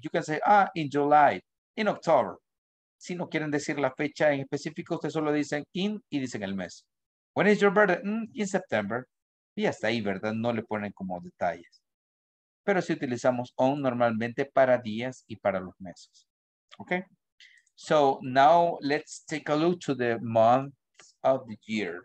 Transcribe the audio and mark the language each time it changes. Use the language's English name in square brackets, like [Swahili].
[English] You can say, ah, in July, in October. [Spanish] Si no quieren decir la fecha en específico, ustedes solo dicen in y dicen el mes. [English] When is your birthday? In September. [Spanish] Y hasta ahí, ¿verdad? No le ponen como detalles. Pero si utilizamos on normalmente para días y para los meses. [English] Okay. So now let's take a look to the month of the year.